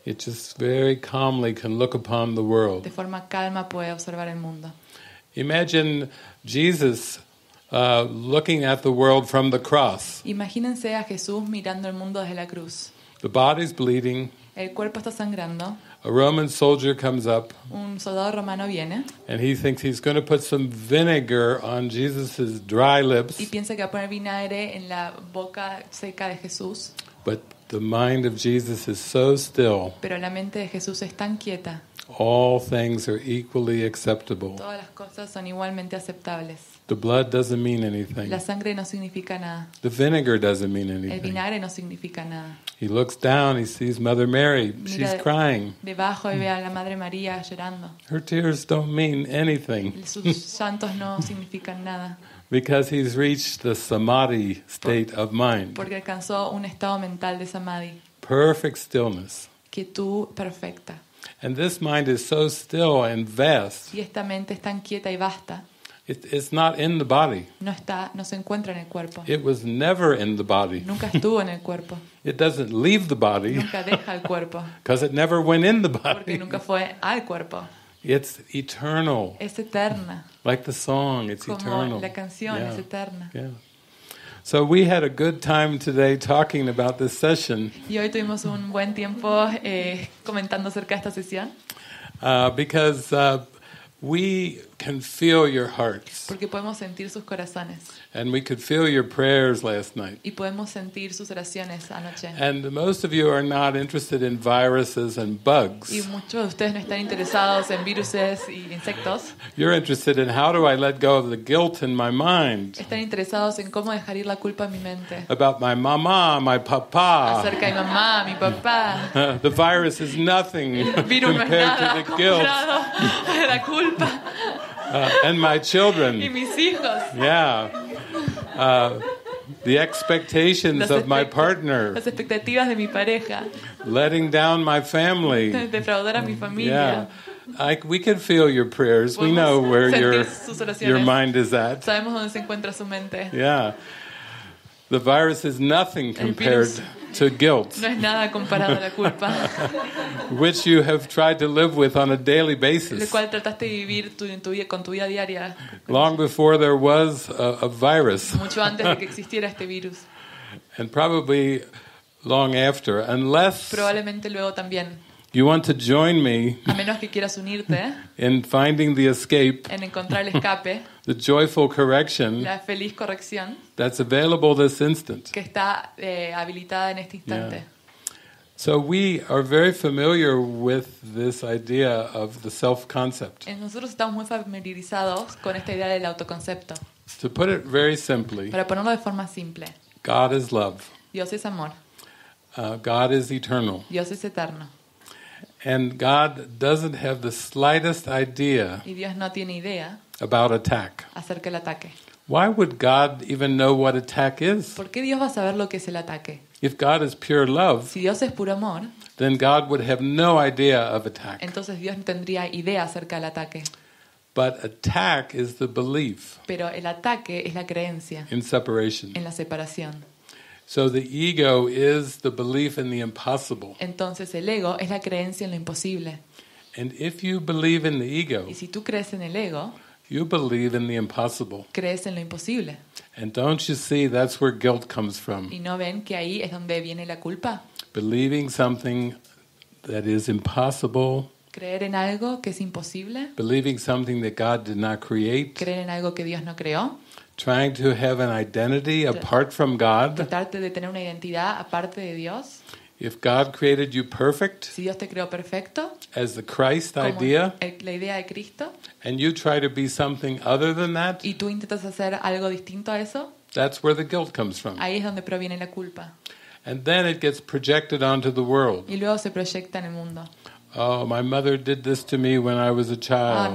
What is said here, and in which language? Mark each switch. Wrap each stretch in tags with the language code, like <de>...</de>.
<en>It just very calmly can look upon the world.</en> <es>De forma calma puede observar el mundo.</es> <en>Imagine Jesus looking at the world from the cross.</en> <es>Imagínense a Jesús mirando el mundo desde la cruz.</es> <en>The body's bleeding.</en> <es>El cuerpo está sangrando.</es> <en>A Roman soldier comes up.</en> <es>Un soldado romano viene.</es> <en>And he thinks he's going to put some vinegar on Jesus's dry lips.</en> <es>Y piensa que va a poner vinagre en la boca seca de Jesús.</es> <en>But the mind of Jesus is so still.</en> <es>Pero la mente de Jesús es tan quieta.</es> <en>All things are equally acceptable.</en> <es>Todas las cosas son igualmente aceptables.</es> <en>The blood doesn't mean anything.</en> <es>La sangre no significa nada.</es> <en>The vinegar doesn't mean anything.</en> <es>El vinagre no significa nada.</es> <en>He looks down, he sees Mother Mary.</en> <es>Mira,</es> <en>she's crying.</en> <es>Debajo y ve a la Madre María llorando.</es> <en>Her tears don't mean anything.</en> <es>Sus santos no significan nada.</es> <en>Because he's reached the samadhi state of mind.</en> <es>Porque alcanzó un estado mental de samadhi.</es> <en>Perfect stillness.</en> <es>Quietud perfecta.</es> <en>And this mind is so still and vast.</en> <es>Y esta mente es tan quieta y vasta.</es> <en>It's not in the body.</en> <es>No está, no se encuentra en el cuerpo.</es> <en>It was never in the body.</en> <es>Nunca estuvo en el cuerpo.</es> <en>It doesn't leave the body.</en> <es>Nunca deja el cuerpo.</es> <en>Because it never went in the body.</en> <es>Porque nunca fue al cuerpo.</es> <en>It's eternal.</en> <es>Es eterna.</es> <en>Like the song, it's</en> <es>como</es> <en>eternal.</en> <es>La canción, yeah. Es eterna.</es> <en>Yeah. So we had a good time today talking about this session.</en> <es>Y hoy tuvimos un buen tiempo comentando acerca de esta sesión.</es> <en>Because we can feel your hearts.</en> <es>Porque podemos sentir sus corazones.</es> <en>And we could feel your prayers last night.</en> <es>Y podemos sentir sus oraciones anoche.</es> <en>And most of you are not interested in viruses and bugs.</en> <es>Y muchos de ustedes no están interesados en viruses y insectos.</es> <en>You're interested in how do I let go of the guilt in my mind.</en> <es>Están interesados en cómo dejar ir la culpa en mi mente.</es> <en>About my mamá, my papá.</en> <es>Acerca de mi mamá, mi papá.</es> <en>The virus is nothing compared to the guilt.</en> <es>La culpa.</es> <en>And my children.</en> <es>Y mis hijos.</es> <en>Yeah. The expectations of my partner.</en> <es>Las expectativas de mi pareja.</es> <en>Letting down my family.</en> <es>Defraudar a mi familia.</es> <en>Yeah. We can feel your prayers.</en> <es>Podemos</es> <en>we know where your mind is at.</en> <es>Sabemos dónde se encuentra su mente.</es> <en>Yeah. The virus is nothing compared to guilt.</en> <es>No es nada comparado a la culpa.</es> <en>Which you have tried to live with on a daily basis.</en> <es>Lo cual trataste de vivir con tu vida diaria.</es> <en>Long before there was a virus.</en> <es>Mucho antes de que existiera este virus.</es> <en>And probably long after, unless</en> <es>probablemente luego también.</es> <en>You want to join me?</en> <es>A menos que quieras unirte.</es> <en>In finding the escape.</en> <es>En encontrar el escape.</es> <en>The joyful correction.</en> <es>La feliz corrección.</es> <en>That's available this instant.</en> <es>Que está habilitada en este instante.</es> <en>Yeah. So we are very familiar with this idea of the self-concept.</en> <es>Y nosotros estamos muy familiarizados con esta idea del autoconcepto.</es> <en>To put it very simply.</en> <es>Para ponerlo de forma simple.</es> <en>God is love.</en> <es>Dios es amor.</es> <en>God is eternal.</en> <es>Dios es eterno.</es> <en>And God doesn't have the slightest idea.</en> <es>Y Dios no tiene idea.</es> <en>About attack.</en> <es>Acerca del ataque.</es> <en>Why would God even know what attack is?</en> <es>¿Por qué Dios va a saber lo que es el ataque?</es> <en>If God is pure love,</en> <es>si Dios es puro amor,</es> <en>then God would have no idea of attack.</en> <es>Entonces Dios no tendría idea acerca del ataque.</es> <en>But attack is the belief.</en> <es>Pero el ataque es la creencia.</es> <en>In separation.</en> <es>En la separación.</es> <en>So the ego is the belief in the impossible.</en> <es>Entonces el ego es la creencia en lo imposible.</es> <en>And if you believe in the ego,</en> <es>y si tú crees en el ego,</es> <en>you believe in the impossible.</en> <es>Crees en lo imposible.</es> <en>And don't you see that's where guilt comes from?</en> <es>¿Y no ven que ahí es donde viene la culpa?</es> <en>Believing something that is impossible.</en> <es>Creer en algo que es imposible.</es> <en>Believing something that God did not create.</en> <es>Creer en algo que Dios no creó.</es> <en>Trying to have an identity apart from God.</en> <es>Tratar de tener una identidad aparte de Dios.</es> <en>If God created you perfect,</en> <es>si Dios te creó perfecto,</es> <en>as the Christ idea,</en> <es>la idea de Cristo,</es> <en>and you try to be something other than that,</en> <es>y tú intentas hacer algo distinto a eso,</es> <en>that's where the guilt comes from.</en> <es>Ahí es donde proviene la culpa.</es> <en>And then it gets projected onto the world.</en> <es>Y luego se proyecta en el mundo.</es> <en>Oh, my mother did this to me when I was a child.</en>